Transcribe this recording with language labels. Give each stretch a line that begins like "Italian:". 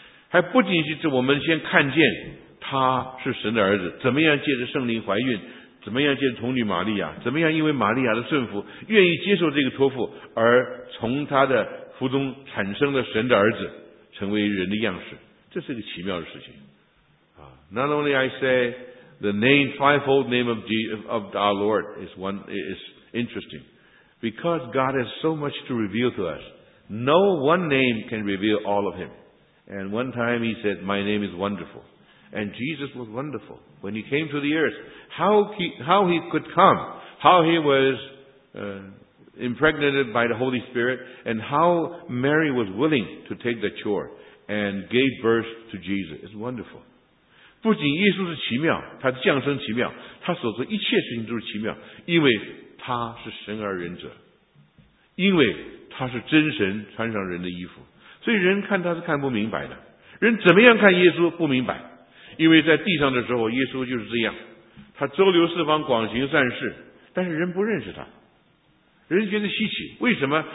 Chinese: 还不仅仅是我们先看见他是神的儿子，怎么样借着圣灵怀孕，怎么样借着童女玛利亚，怎么样因为玛利亚的顺服愿意接受这个托付，而从他的腹中产生了神的儿子，成为人的样式，这是一个奇妙的事情。
English: Not only I say the name, fivefold name of our Lord is interesting, because God has so much to reveal to us. No one name can reveal all of him. And one time he said, my name is wonderful. And Jesus was wonderful when he came to the earth. How he could come, how he was impregnated by the Holy Spirit, and how Mary was willing to take the chore and gave birth to Jesus. It's wonderful.
Chinese: 不仅耶稣是奇妙，他的降生奇妙，他所做一切事情都是奇妙，因为他是神而人者，因为他是真神穿上人的衣服，所以人看他是看不明白的。人怎么样看耶稣不明白？因为在地上的时候耶稣就是这样，他周流四方广行善事，但是人不认识他，人觉得稀奇。为什么？